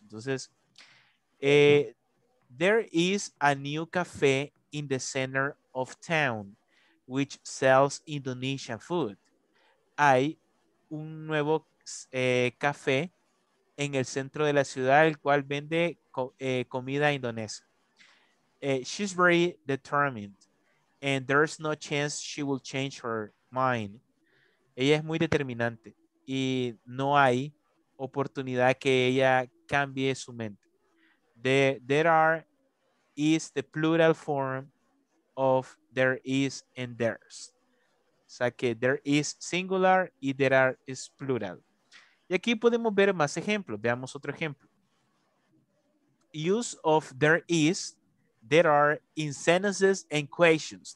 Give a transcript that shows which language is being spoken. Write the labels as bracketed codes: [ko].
[en] Entonces, there is a new cafe in the center of town which sells Indonesian food. [es] Hay un nuevo café en el centro de la ciudad el cual vende comida indonesia. [en] She's very determined and there's no chance she will change her mind. [es] Ella es muy determinante y no hay oportunidad que ella cambie su mente. [en] There are is the plural form of there is and there's. [es] O sea que there is singular y there are is plural. Y aquí podemos ver más ejemplos. Veamos otro ejemplo. [en] Use of there is, there are in sentences and questions.